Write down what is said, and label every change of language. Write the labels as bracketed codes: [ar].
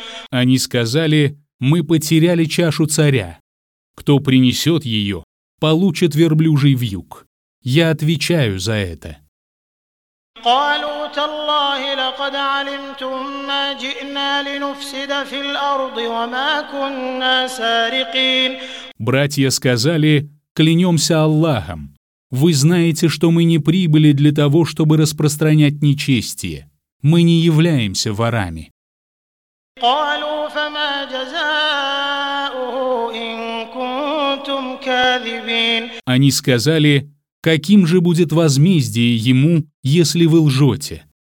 [ru] Они сказали: «Мы потеряли чашу царя. Кто принесет ее, получит верблюжий вьюг. Я отвечаю за это». [ar] قالوا تالله لقد علمتم ما جئنا لنفسد في الأرض وما كنا سارقين. [ru] Братья сказали: «Клянемся Аллахом, вы знаете, что мы не прибыли для того, чтобы распространять нечестие. Мы не являемся ворами». [ar] قالوا فما جزاؤه إن كنتم كاذبين. [ru] Они сказали: «Каким же будет возмездие ему, если вы лжете?»